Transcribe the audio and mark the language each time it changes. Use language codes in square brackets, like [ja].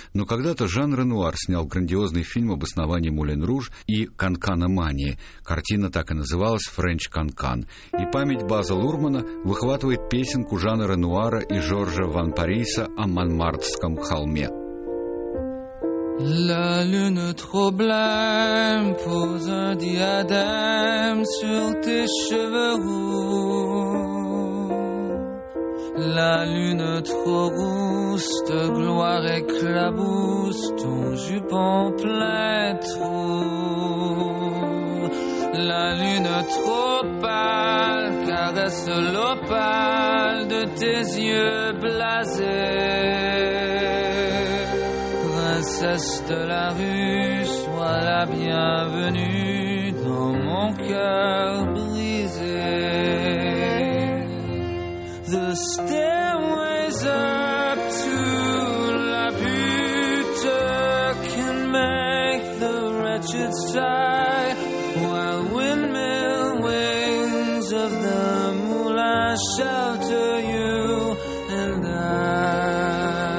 [ru] Но когда-то Жан Ренуар снял грандиозный фильм об основании «Мулен Руж» и «Канканомании». Картина так и называлась «Френч Канкан». И память База Лурмана выхватывает песенку Жана Ренуара и Жоржа Ван Париса о Монмартрском холме. [fr] La lune troublante pose un diadème sur tes cheveux roux. La lune trop rousse de gloire éclabousse ton jupon plein trou. La lune trop pâle caresse l'opale de tes yeux blasés. Princesse de la rue, sois la bienvenue dans mon cœur brisé. [en] The stairway's up to la butte can make the wretched sigh, while windmill wings of the moulin shelter you and I.